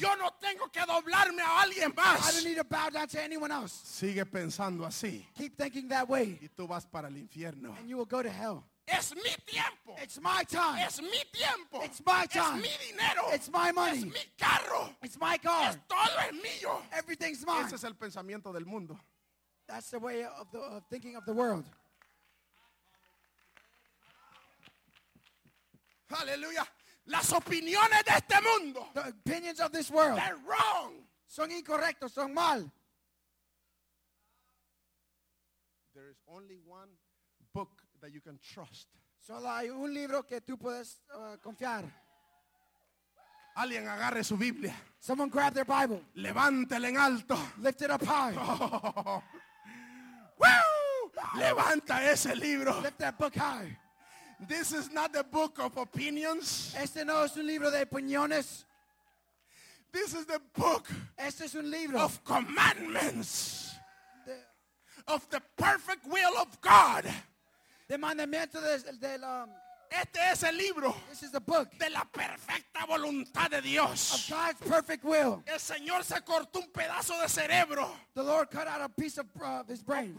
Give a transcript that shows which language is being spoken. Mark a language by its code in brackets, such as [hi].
[es] Yo no tengo que doblarme a alguien más. [en] I don't need to bow down to anyone else. [es] Sigue pensando así. [en] Keep thinking that way. [es] Y tú vas para el infierno. [en] And you will go to hell. [es] Es mi tiempo. [en] It's my time. [es] Es mi tiempo. [en] It's my time. [es] Es mi dinero. [en] It's my money. [es] Es mi carro. [en] It's my car. [es] Es todo es mío. [en] Everything's mine. [es] Ese es el pensamiento del mundo. [en] That's the way of the of thinking of the world. [es] Aleluya. Las opiniones de este mundo. [en] The opinions of this world. They're wrong. [es] Son incorrectos, son mal. [en] There is only one book that you can trust. [es] Solo hay un libro que tú puedes confiar. Alguien agarre su Biblia. [en] Someone grab their Bible. [es] Levántela en alto. [en] Lift it up high. [es] Woo! Levanta ese libro. [en] Lift that book high. This is not the book of opinions. [es] Este no es un libro de opiniones. [en] This is the book. [es] Este es un libro [en] of commandments. Of the perfect will of God. [es] De mandamiento del este es el libro. [en] This is the book. [es] De la perfecta voluntad de Dios. [en] Of God's perfect will. [es] El Señor se cortó un pedazo de cerebro. [en] The Lord cut out a piece of his brain.